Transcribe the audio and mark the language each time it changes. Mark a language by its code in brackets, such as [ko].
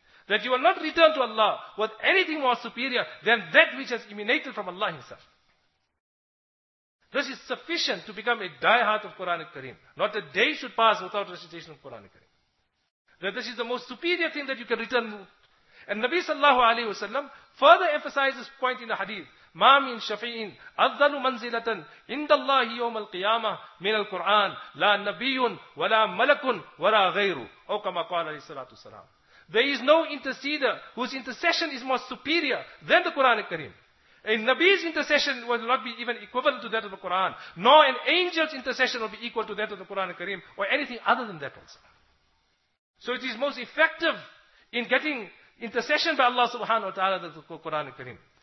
[en] That you will not return to Allah with anything more superior than that which has emanated from Allah Himself. This is sufficient to become a diehard of Quran al-Kareem. Not a day should pass without recitation of Quran al-Kareem. That this is the most superior thing that you can return. And Nabi sallallahu alayhi wa sallam further emphasizes point in the hadith [ar] ما من شفيع أفضل منزلة عند الله يوم القيامة من القرآن لا نبي ولا ملك ولا غيره أو كما قال عليه الصلاة والسلام. [en] There is no interceder whose intercession is more superior than the Quran al-Kareem. A Nabi's intercession will not be even equivalent to that of the Quran, nor an angel's intercession will be equal to that of the Quran al-Kareem, or anything other than that also. So it is most effective in getting intercession by Allah subhanahu wa ta'ala than the Quran al-Kareem.